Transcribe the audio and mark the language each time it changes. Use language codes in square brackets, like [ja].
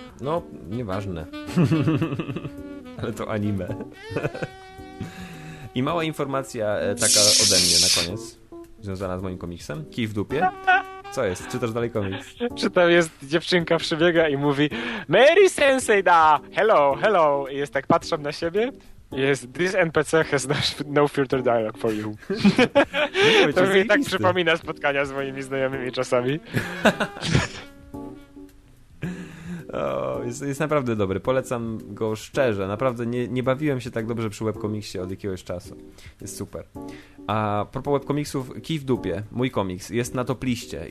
[pl] No, nieważne. Ale to anime. I mała informacja taka ode mnie na koniec, związana z moim komiksem. Kij w dupie. Co jest? Czytasz dalej komiks? Czy tam jest dziewczynka przybiega i mówi: Mary Sensei da! [en] Hello, hello! [pl] I jest tak, patrzą na siebie. [en] Jest, this NPC has no filter dialogue for you. [pl] To mi tak przypomina spotkania z moimi znajomymi czasami. Jest naprawdę dobry. Polecam go szczerze. Naprawdę nie bawiłem się tak dobrze przy webkomiksie od jakiegoś czasu. Jest super. A propos webkomiksów, Kij w dupie, mój komiks, jest na topliście.